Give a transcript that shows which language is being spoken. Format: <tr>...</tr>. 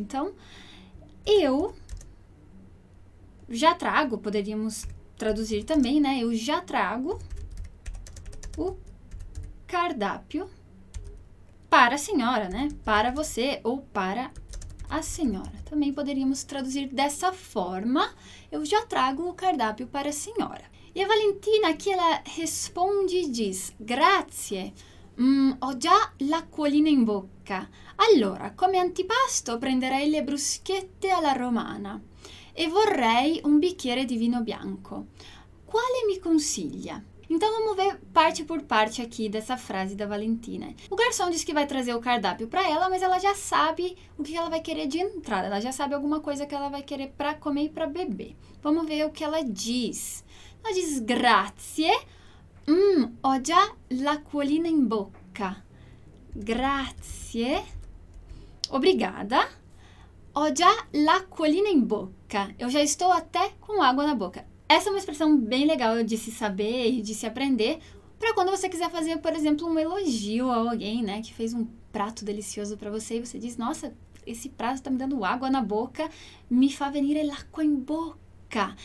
<pt>Então, eu já trago, poderíamos traduzir também, né? Eu já trago o cardápio para a senhora, né? Para você ou para a senhora. Também poderíamos traduzir dessa forma. Eu já trago o cardápio para a senhora. E a Valentina aqui, ela responde e diz,</pt> <it>grazie, ho già l'acquolina in bocca. Allora, come antipasto prenderei le bruschette alla romana. E vorrei um bicchiere de vinho bianco. Qual me consiglia?</it> <pt>Então, vamos ver parte por parte aqui dessa frase da Valentina. O garçom diz que vai trazer o cardápio para ela, mas ela já sabe o que ela vai querer de entrada. Ela já sabe alguma coisa que ela vai querer para comer e para beber. Vamos ver o que ela diz. Ela diz, grazie.</pt> <it>Ho già l'acquolina in bocca. Grazie. Obrigada. Ho già l'acquolina in bocca.</it> <pt>Eu já estou até com água na boca. Essa é uma expressão bem legal de se saber e de se aprender para quando você quiser fazer, por exemplo, um elogio a alguém, né, que fez um prato delicioso para você e você diz, nossa, esse prato está me dando água na boca,</pt> <it>mi fa venire l'acqua in bocca.</it>